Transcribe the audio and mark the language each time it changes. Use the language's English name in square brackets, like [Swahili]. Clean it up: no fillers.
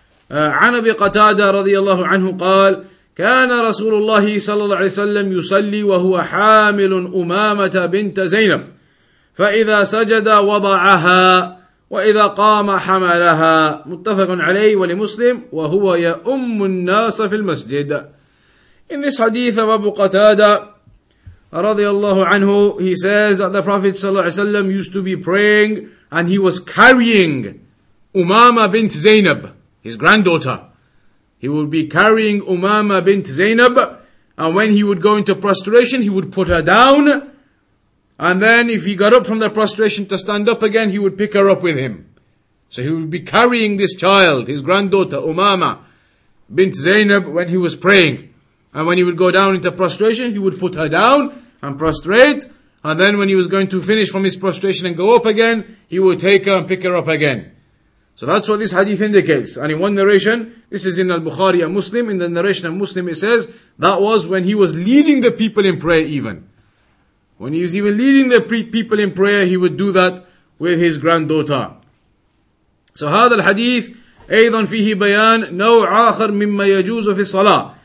[Arabic] عن أبي قتادة رضي الله عنه قال, كان رسول الله صلى الله عليه وسلم يصلي وهو حامل أمامة بنت زينب, فإذا سجد وضعها وإذا قام حملها. متفق عليه ولمسلم وهو يؤم الناس في المسجد. [English] In this hadith of Abu Qatada [Arabic] رضي الله عنه, [English] he says that the Prophet [Arabic] صلى الله عليه وسلم [English] used to be praying and he was carrying Umama bint Zainab, his granddaughter. He would be carrying Umama bint Zainab, and when he would go into prostration, he would put her down, and then if he got up from the prostration to stand up again, he would pick her up with him. So he would be carrying this child, his granddaughter, Umama bint Zainab, when he was praying. And when he would go down into prostration, he would put her down and prostrate, and then when he was going to finish from his prostration and go up again, he would take her and pick her up again. So that's what this hadith indicates. And in one narration, this is in Al-Bukhari and Muslim, in the narration of Muslim it says, that was when he was leading the people in prayer even. When he was even leading the people in prayer, he would do that with his granddaughter. [Arabic] So هذا الحديث أيضا فيه بيان نوع آخر مما يجوز في الصلاة.